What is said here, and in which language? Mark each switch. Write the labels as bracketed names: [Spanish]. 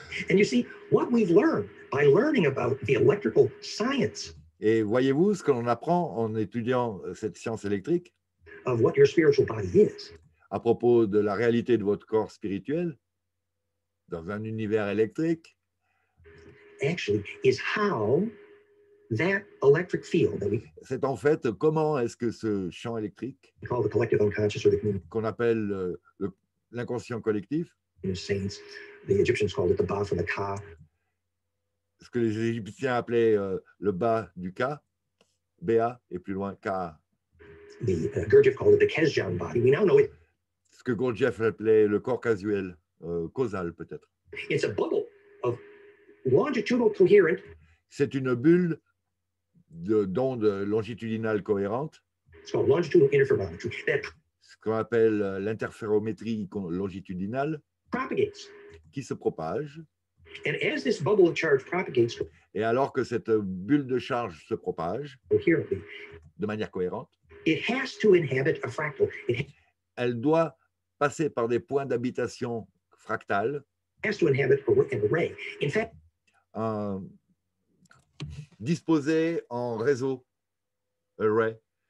[English] And you see what we've learned by learning about the electrical science. [French] Et voyez-vous ce qu'on apprend en étudiant cette science électrique? [English] Of what your spiritual body is. [French] À propos de la réalité de votre corps spirituel dans un univers électrique. [English] Actually, is how that electric field that we, [French] c'est en fait comment est-ce que ce champ électrique [English] call the collective unconscious or the community, [French] qu'on appelle l'inconscient collectif, [English] the saints, the Egyptians called it the ba from the ka, [French] ce que les Égyptiens appelaient le ba du ka, ba et plus loin ka, [English] the Gurdjieff called it the Kesjan body, we now know it, [French] ce que Gurdjieff appelait le corps casuel, causal peut-être, [English] it's a bubble of longitudinal coherent, [French] c'est une bulle d'ondes longitudinales cohérentes. [English] It's called longitudinal interferometry. [French] Ce qu'on appelle l'interférométrie longitudinale. [English] Propagates. [French] Qui se propage. [English] And as this bubble of charge propagates, [French] et alors que cette bulle de charge se propage de manière cohérente, [English] it has to inhabit a fractal. [French] Elle doit passer par des points d'habitation fractales. [English] Has to inhabit an array. In fact, [French] disposé en réseau, array.